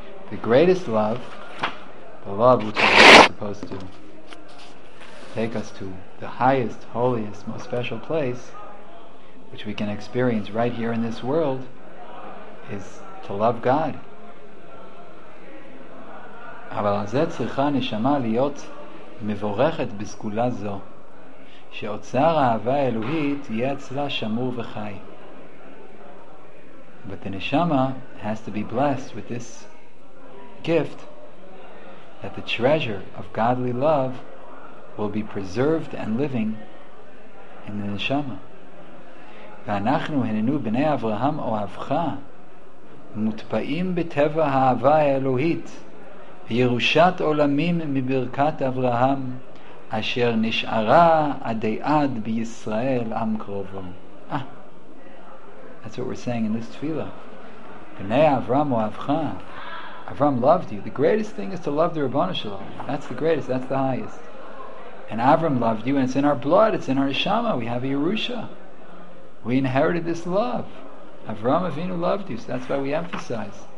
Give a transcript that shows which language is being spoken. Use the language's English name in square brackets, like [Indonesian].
[English] The greatest love, the love which is supposed to take us to the highest, holiest, most special place, which we can experience right here in this world, is to love God. [Hebrew] אבל אז צריכה נשמה להיות מבורכת בסגולה זו, שאוצר האהבה האלוהית יהיה אצלה שמור וחי. [English] But the neshama has to be blessed with this gift, that the treasure of godly love will be preserved and living in the neshama. [Hebrew] ואנחנו הננו בני אברהם אוהבך מוטפאים בטבע האהבה האלוהית ירושת עולמים מברכת אברהם אשר נשארה עדי עד בישראל עם קרובו. [English] That's what we're saying in this tefillah. [Hebrew] B'nei Avram Oavcha. [English] Avram loved you. The greatest thing is to love the Ribbono Shel Olam. That's the greatest, that's the highest. And Avram loved you, and it's in our blood, it's in our neshama. We have a Yerusha. We inherited this love. Avram Avinu loved you, so that's why we emphasize.